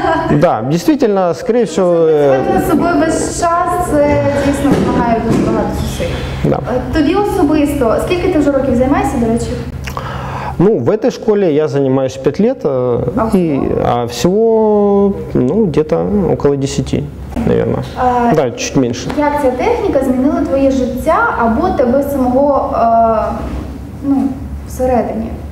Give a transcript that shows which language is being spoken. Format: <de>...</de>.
<ru>Да, действительно, скорее всего...</ru> <uk>Звичайно, з собою весь час, це, звісно, вимагає дуже багато зусиль.</uk> <ru>Да.</ru> <uk>Тобі особисто, скільки ти вже років займаєшся, до речі?</uk> <ru>Ну, в этой школе я занимаюсь 5 лет, а всего, ну, где-то около 10, наверное. Да, чуть меньше. Как эта техника изменила твоё жизнь, або тебе самого, ну, в середине?</ru>